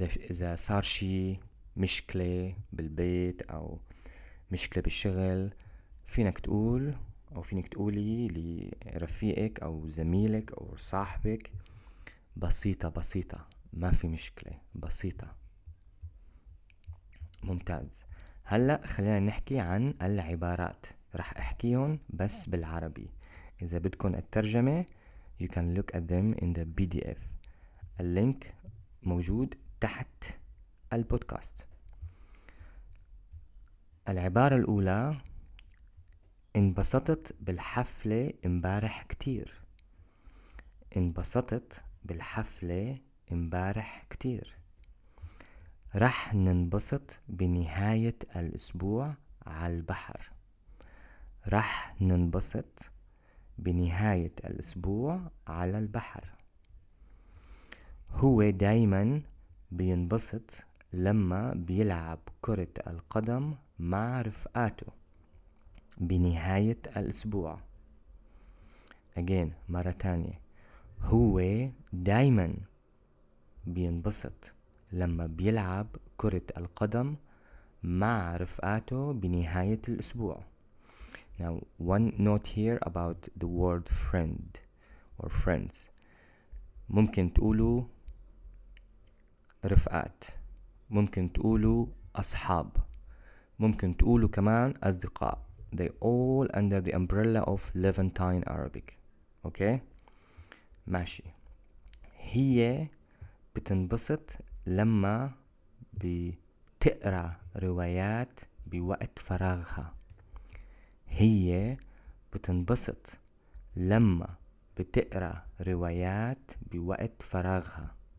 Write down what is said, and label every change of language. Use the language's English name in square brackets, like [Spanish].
[Arabic] إذا صار شيء مشكلة بالبيت أو مشكلة بالشغل، فينك تقول أو فينك تقولي لرفيقك أو زميلك أو صاحبك بسيطة، بسيطة، ما في مشكلة، بسيطة. ممتاز. هلأ خلينا نحكي عن العبارات، رح احكيهم بس بالعربي. إذا بدكن الترجمة [English] you can look at them in the PDF. [Arabic] اللينك موجود تحت البودكاست. العبارة الأولى: انبسطت بالحفلة امبارح كتير. انبسطت بالحفلة امبارح كتير. رح ننبسط بنهاية الأسبوع على البحر. رح ننبسط بنهاية الأسبوع على البحر. هو دايما بينبسط لما بيلعب كرة القدم مع رفقاته بنهاية الأسبوع. Again, مرة تانية. هو دايما بينبسط لما بيلعب كرة القدم مع رفقاته بنهاية الأسبوع. [English] Now, one note here about the word friend or friends. [Arabic] ممكن تقولوا رفقات. ممكن تقولوا أصحاب. ممكن تقولوا كمان أصدقاء. [English] They all under the umbrella of Levantine Arabic. Okay? ماشي. [Arabic] هي بتنبسط لما بتقرأ روايات بوقت فراغها. هي بتنبسط لما بتقرأ روايات بوقت فراغها.